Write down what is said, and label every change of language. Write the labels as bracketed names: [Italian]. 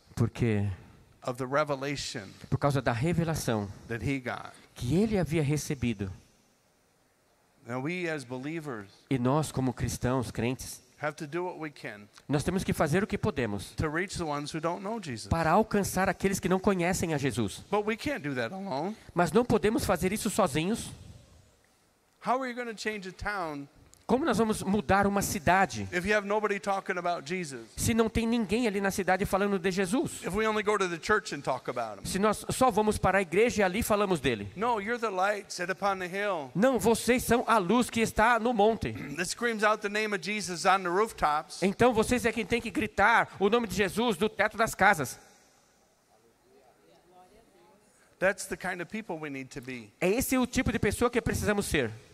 [Portuguese] Porque. [English] Of the revelation. [Portuguese] Por causa da revelação. [English] That he got. [Portuguese] Que ele havia recebido. [English] Now we as believers. [Portuguese] E nós como cristãos, crentes. [English] Have to do what we can. [Portuguese] Nós temos que fazer o que podemos. [English] To reach the ones who don't know Jesus. [Portuguese] Para alcançar aqueles que não conhecem a Jesus. [English] But we can't do that alone. [Portuguese] Mas não podemos fazer isso sozinhos. [English] How are you going to change a town? [Portuguese] Como nós vamos mudar uma cidade? [English] If you have nobody talking about Jesus. [Portuguese] Se não tem ninguém ali na cidade falando de Jesus. [English] If we only go to the church and talk about him. [Portuguese] Se nós só vamos para a igreja e ali falamos dele. [English] No, you're the light set upon the hill. [Portuguese] Não, vocês são a luz que está no monte. [English] That screams out the name of Jesus on the rooftops. [Portuguese] Então vocês é quem tem que gritar o nome de Jesus do teto das casas. [English] That's the kind of people we need to be. [Portuguese] É esse o tipo de pessoa que precisamos ser.